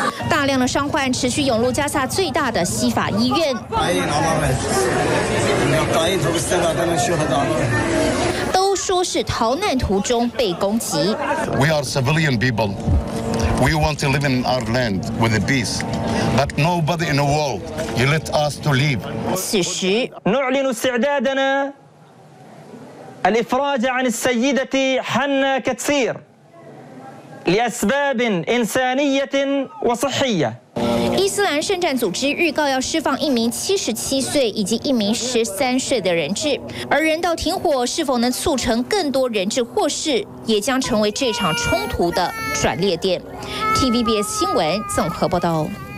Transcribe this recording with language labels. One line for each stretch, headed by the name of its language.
Chinese: 大量的伤患持续涌入加萨最大的西法医院。都说是逃难途中被攻击。
English: We are civilian people. We want to live in our land with the peace, but nobody in the world you let us to leave.
Chinese: 此时，
Arabic: نعلن استعدادنا الإفراج عن السيدة حنا كثير لأسباب إنسانية وصحية.
Chinese: 伊斯兰圣战组织预告要释放一名77岁以及一名13岁的人质，而人道停火是否能促成更多人质获释，也将成为这场冲突的转捩点。 TVBS 新闻综合报道。